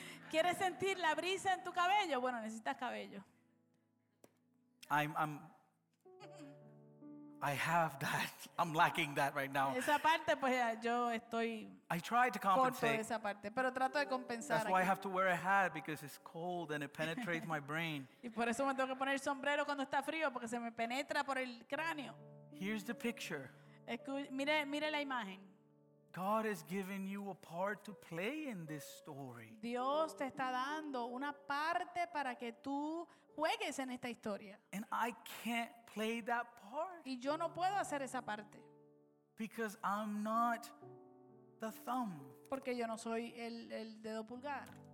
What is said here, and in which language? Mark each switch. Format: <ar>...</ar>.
<es>Quieres sentir la brisa en tu cabello. Bueno, necesitas cabello.</es> <en>I have that. I'm lacking that right now.</en> <es>Esa parte, pues, yo estoy.</es> <en>I try to compensate.</en> <es>Corto esa parte, pero trato de compensar.</es> <en>That's why I have to wear a hat because it's cold and it penetrates my brain.</en> <es>Y por eso me tengo que poner sombrero cuando está frío porque se me penetra por el cráneo.</es> <en>Here's the picture.</en> <es>Mire la imagen.</es> <en>God has given you a part to play in this story.</en> <es>Dios te está dando una parte para que tú juegues en esta historia.</es> <en>And I can't play that part.</en> <es>Y yo no puedo hacer esa parte.</es> <en>Because I'm not the thumb.</en> <es>Porque yo no soy el dedo pulgar.</es>